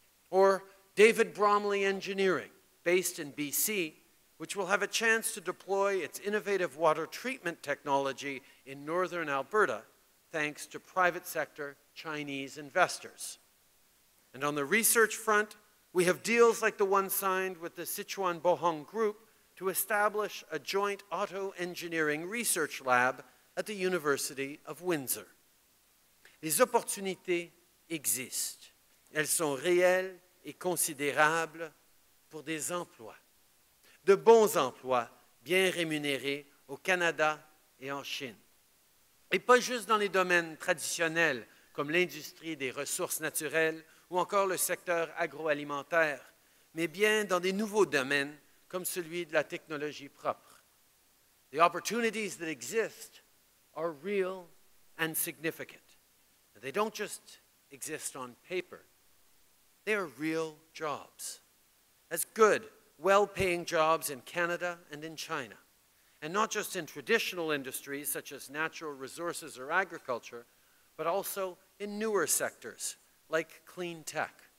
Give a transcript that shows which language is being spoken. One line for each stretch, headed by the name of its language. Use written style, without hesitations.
English: Or David Bromley Engineering, based in BC, which will have a chance to deploy its innovative water treatment technology in northern Alberta, thanks to private sector Chinese investors. And on the research front, we have deals like the one signed with the Sichuan Bohong Group to establish a joint auto engineering research lab at the University of Windsor.
French: Les opportunités existent. Elles sont réelles et considérables pour des emplois. De bons emplois bien rémunérés au Canada et en Chine. Et pas juste dans les domaines traditionnels comme l'industrie des ressources naturelles ou encore le secteur agroalimentaire, mais bien dans des nouveaux domaines comme celui de la technologie propre.
English: The opportunities that exist are real and significant. They don't just exist on paper. They are real jobs, as good, well-paying jobs in Canada and in China, and not just in traditional industries such as natural resources or agriculture, but also in newer sectors, like clean tech.